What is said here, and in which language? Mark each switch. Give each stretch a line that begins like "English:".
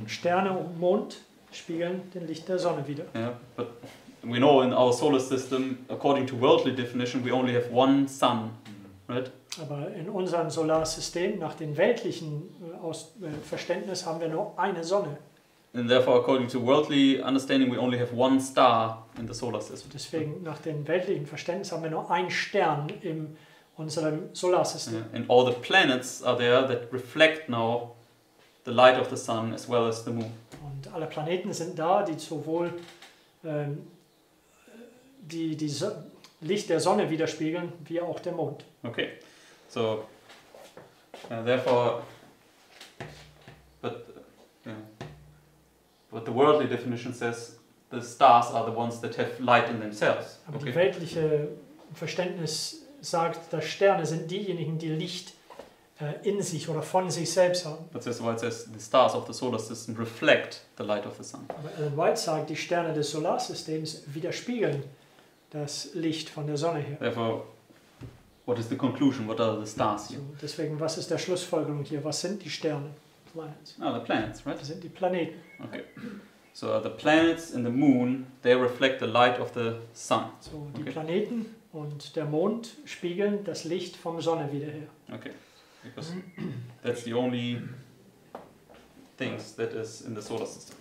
German: Sterne und Mond spiegeln den Licht der Sonne wieder.
English: Yeah, but we know in our solar system, according to worldly definition, we only have one sun, right?
German: Aber in unserem Solarsystem, nach dem weltlichen Verständnis, haben wir nur eine Sonne.
English: And therefore, according to worldly understanding, we only have one star in the solar system.
German: Deswegen, nach dem weltlichen Verständnis, haben wir nur einen Stern in unserem Solarsystem.
English: Yeah. And all the planets are there that reflect now the light of the sun as well as the moon.
German: Und alle Planeten sind da, die sowohl die Licht der Sonne widerspiegeln, wie auch der Mond.
English: Okay. So, therefore, but the worldly definition says the stars are the ones that have light in themselves.
German: Aber okay. Die weltliche Verständnis sagt, dass Sterne sind diejenigen, die Licht in sich oder von sich selbst haben.
English: But that's why it says the stars of the solar system reflect the light of the sun.
German: Aber Ellen White sagt, die Sterne des Solarsystems widerspiegeln das Licht von der Sonne her.
English: Therefore, what is the conclusion? What are the stars here? So,
German: deswegen, was ist der Schlussfolgerung hier? Was sind die Sterne?
English: Planets. Ah, the planets, right?
German: Das sind die Planeten.
English: Okay. So, the planets and the moon, they reflect the light of the sun.
German: So, die okay. Planeten und der Mond spiegeln das Licht vom Sonne wieder her.
English: Okay. Because that's the only things that is in the solar system.